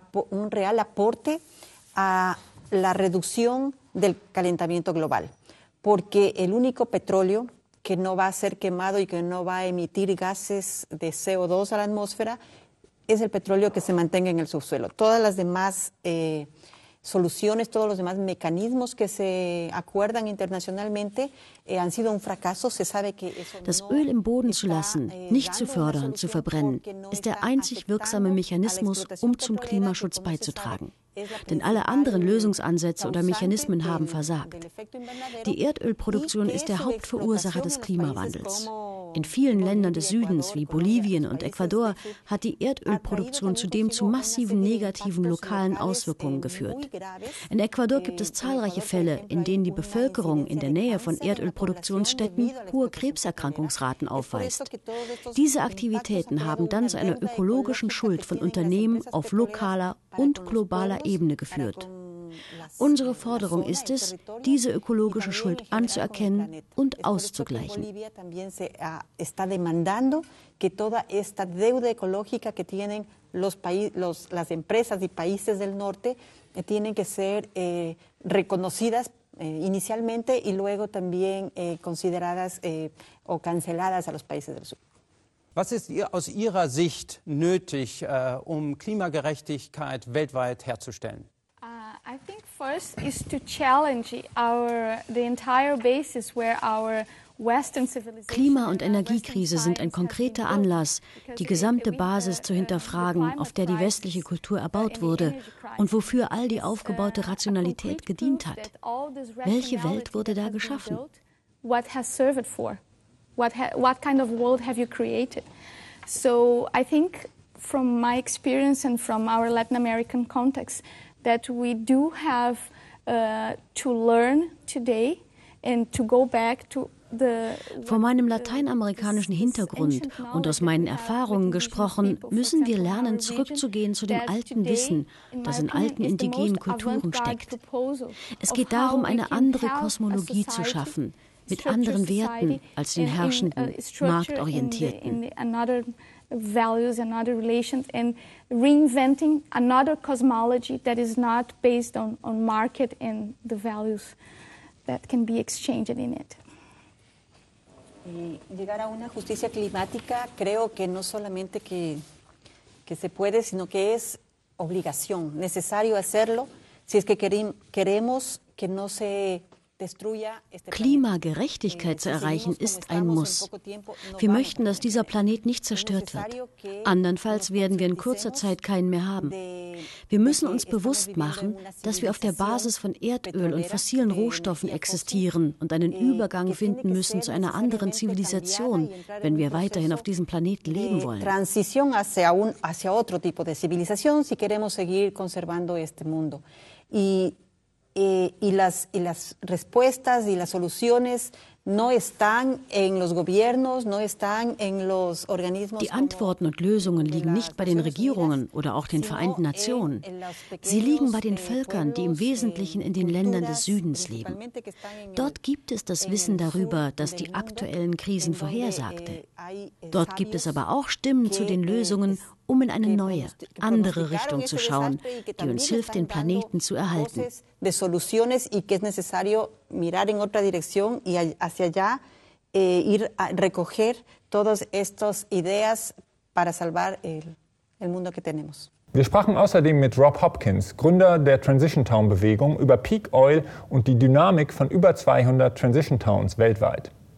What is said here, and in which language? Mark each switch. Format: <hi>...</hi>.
<es>un real aporte a la reducción del calentamiento global, porque el único petróleo que no va a ser quemado y que no va a emitir gases de CO2 a la atmósfera es el petróleo que se mantenga en el subsuelo. Todas las demás soluciones, todos los demás mecanismos que se acuerdan internacionalmente han sido un fracaso. Se sabe que eso</es> <de>das no Öl im Boden zu lassen, nicht zu fördern, zu verbrennen, ist der einzig wirksame Mechanismus, um zum Klimaschutz beizutragen. Denn alle anderen Lösungsansätze oder Mechanismen haben versagt. Die Erdölproduktion ist der Hauptverursacher des Klimawandels. In vielen Ländern des Südens, wie Bolivien und Ecuador, hat die Erdölproduktion zudem zu massiven negativen lokalen Auswirkungen geführt. In Ecuador gibt es zahlreiche Fälle, in denen die Bevölkerung in der Nähe von Erdölproduktionsstätten hohe Krebserkrankungsraten aufweist. Diese Aktivitäten haben dann zu einer ökologischen Schuld von Unternehmen auf lokaler und globaler Ebene geführt. Unsere Forderung ist es, diese ökologische Schuld anzuerkennen und auszugleichen.</de> <es>Bolivia también se está demandando que toda esta deuda ecológica que tienen las empresas y países del norte tienen que ser reconocidas inicialmente y luego también consideradas o canceladas a los países del sur.</es> <de>Was ist aus Ihrer Sicht nötig, um Klimagerechtigkeit weltweit herzustellen?</de> <en>I think first is to challenge the entire basis where our Western civilization.</en> <de>Klima- und Energiekrise sind ein konkreter Anlass, die gesamte Basis zu hinterfragen, auf der die westliche Kultur erbaut wurde und wofür all die aufgebaute Rationalität gedient hat. Welche Welt wurde da geschaffen?</de> <en>What has served for? What kind of world have you created? So I think from my experience and from our Latin American context that we do have to learn today and to go back to the.</en> <de>Von meinem lateinamerikanischen Hintergrund und aus meinen Erfahrungen gesprochen, müssen wir lernen, zurückzugehen zu dem alten Wissen, das in alten indigenen Kulturen steckt. Es geht darum, eine andere Kosmologie zu schaffen, mit anderen Werten als den herrschenden, marktorientierten.</de> <en>Values and other relations and reinventing another cosmology that is not based on market and the values that can be exchanged in it.</en> <es>Llegar a una justicia climática creo que no solamente que se puede, sino que es obligación, necesario hacerlo si es que queremos que no se.</es> <de>Klimagerechtigkeit zu erreichen, ist ein Muss. Wir möchten, dass dieser Planet nicht zerstört wird. Andernfalls werden wir in kurzer Zeit keinen mehr haben. Wir müssen uns bewusst machen, dass wir auf der Basis von Erdöl und fossilen Rohstoffen existieren und einen Übergang finden müssen zu einer anderen Zivilisation, wenn wir weiterhin auf diesem Planeten leben wollen.</de> <es>Transición hacia otro tipo de civilización, si queremos seguir conservando este mundo. Y las respuestas y las soluciones no están en los gobiernos, no están en los organismos.</es> <de>Die Antworten und Lösungen liegen nicht bei den Regierungen oder auch den Vereinten Nationen. Sie liegen bei den Völkern, die im Wesentlichen in den Ländern des Südens leben. Dort gibt es das Wissen darüber, das die aktuellen Krisen vorhersagte. Dort gibt es aber auch Stimmen zu den Lösungen, um in eine neue, andere Richtung zu schauen, die uns hilft, den Planeten zu erhalten.</de> <es>De soluciones y que es necesario mirar en otra dirección y hacia allá ir a recoger todas estas ideas para salvar el mundo que tenemos.</es> <de>Wir sprachen außerdem mit Rob Hopkins, Gründer der Transition Town Bewegung, über Peak Oil und die Dynamik von über 200 Transition Towns weltweit.</de>